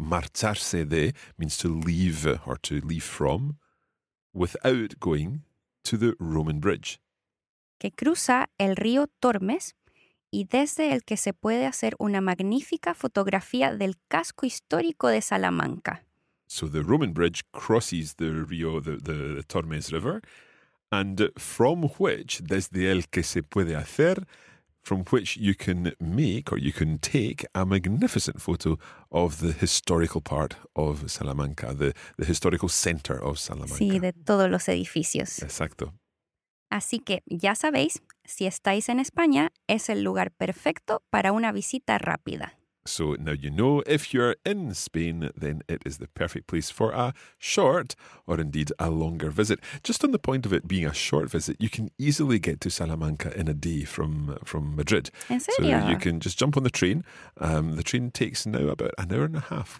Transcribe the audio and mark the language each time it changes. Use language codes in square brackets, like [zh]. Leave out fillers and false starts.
[es] Marcharse de [en] means to leave or to leave from, without going to the Roman bridge. [es] Que cruza el río Tormes y desde el que se puede hacer una magnífica fotografía del casco histórico de Salamanca. [en] So the Roman bridge crosses the río, the Tormes River, and from which, [es] desde el que se puede hacer, [en] from which you can make or you can take a magnificent photo of the historical part of Salamanca, the historical center of Salamanca. [es] Sí, de todos los edificios. Exacto. Así que, ya sabéis, si estáis en España, es el lugar perfecto para una visita rápida. [en] So, now you know, if you're in Spain, then it is the perfect place for a short or indeed a longer visit. Just on the point of it being a short visit, you can easily get to Salamanca in a day from Madrid. [es] ¿En serio? [en] So, you can just jump on the train. The train takes now about an hour and a half.